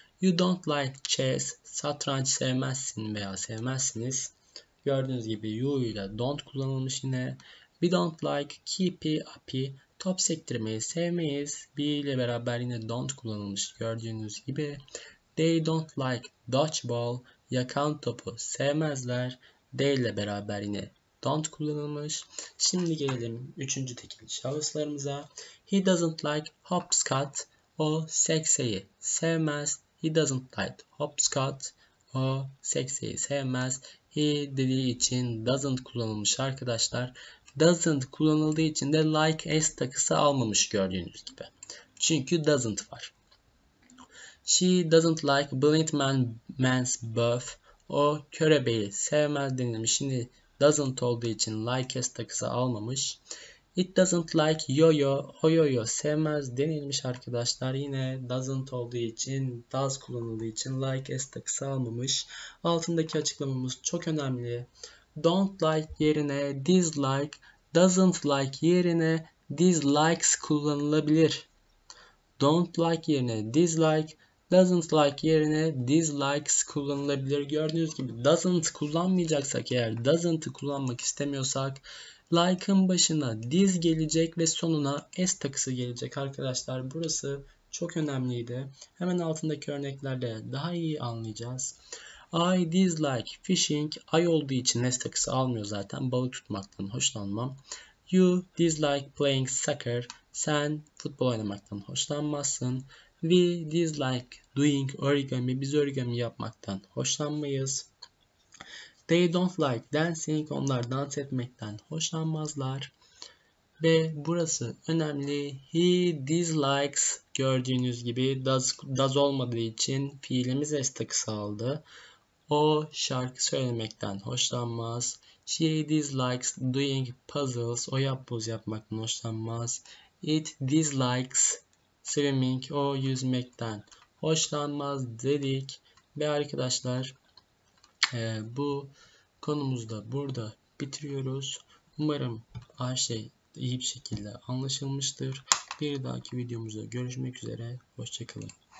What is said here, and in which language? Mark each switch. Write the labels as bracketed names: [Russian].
[English] You don't like chess. [Turkish] Satranç sevmezsin veya sevmezsiniz. Gördüğünüz gibi you ile don't kullanılmış yine. [English] We don't like keepy uppy. [Turkish] Top sektirmeyi sevmeyiz. Be ile beraber yine don't kullanılmış gördüğünüz gibi. [English] They don't like dodgeball. [Turkish] Yakan topu sevmezler. They ile beraber yine don't kullanılmış. Şimdi gelelim üçüncü tekil şahıslarımıza. [English] He doesn't like hopscotch. [Turkish] O sekseyi sevmez. [English] He doesn't like hopscotch. [Turkish] O sekseyi sevmez. He dediği için doesn't kullanılmış arkadaşlar. Doesn't kullanıldığı için de like s takısı almamış gördüğünüz gibi. Çünkü doesn't var. [English] She doesn't like blind man's buff. [Turkish] O körebeği sevmez denilmiş. Şimdi doesn't olduğu için like s takısı almamış. [English] It doesn't like yo-yo. [Turkish] O yo-yo sevmez denilmiş arkadaşlar. Yine doesn't olduğu için, does kullanıldığı için like s takısı almamış. Altındaki açıklamamız çok önemli. Don't like yerine dislike, doesn't like yerine dislikes kullanılabilir. Don't like yerine dislike, doesn't like yerine dislikes kullanılabilir. Gördüğünüz gibi doesn't kullanmayacaksak eğer doesn't'ı kullanmak istemiyorsak like'ın başına this gelecek ve sonuna s takısı gelecek arkadaşlar. Burası çok önemliydi. Hemen altındaki örneklerde daha iyi anlayacağız. [English] I dislike fishing. [Turkish] I olduğu için s takısı almıyor zaten. Balık tutmaktan hoşlanmam. [English] You dislike playing soccer. [Turkish] Sen futbol oynamaktan hoşlanmazsın. [English] We dislike doing origami. [Turkish] Biz origami yapmaktan hoşlanmayız. [English] They don't like dancing. [Turkish] Onlar dans etmekten hoşlanmazlar. Ve burası önemli. [English] He dislikes [Turkish] gördüğünüz gibi does olmadığı için fiilimiz s takısı aldı. O şarkı söylemekten hoşlanmaz. [English] She dislikes doing puzzles. [Turkish] O yapboz yapmaktan hoşlanmaz. [English] It dislikes swimming. [Turkish] O yüzmekten hoşlanmaz dedik. Ve arkadaşlar bu konumuzu da burada bitiriyoruz. Umarım her şey iyi bir şekilde anlaşılmıştır. Bir dahaki videomuzda görüşmek üzere. Hoşçakalın.